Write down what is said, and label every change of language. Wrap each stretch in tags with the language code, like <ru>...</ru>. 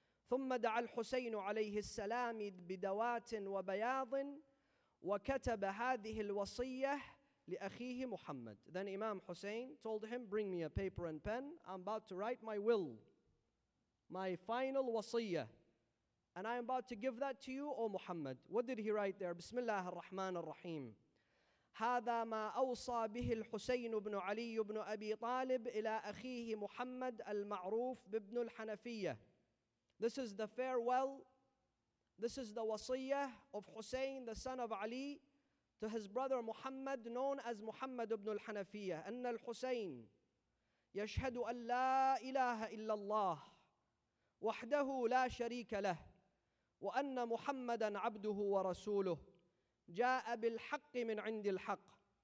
<ar>ثُمَّ دَعَ الْحُسَيْنُ عَلَيْهِ السَّلَامِ بِدَوَاتٍ وَبَيَاضٍ وَكَتَبَ هَذِهِ الْوَصِيَّةِ لِأَخِيهِ مُحَمَّدٍ.</ar> <en>Then Imam Hussein told him, bring me a paper and pen. I'm about to write my will, my final wasiyyah. And I am about to give that to you, O Muhammad. What did he write there?</en> <ar>بسم الله الرحمن الرحيم. هذا ما أوصى به الحسين بن علي بن أبي طالب إلى أخيه محمد المعروف بابن الحنفية.</ar> <en>This is the farewell. This is the wasiyyah of Hussein, the son of Ali, to his brother Muhammad, known as Muhammad ibn al-Hanafiyyah.</en> <ar>أن الحسين يشهد أن لا إله إلا الله وحده لا شريك له وأن محمدا عبده ورسوله جاء بالحق من عند الحق.</ar>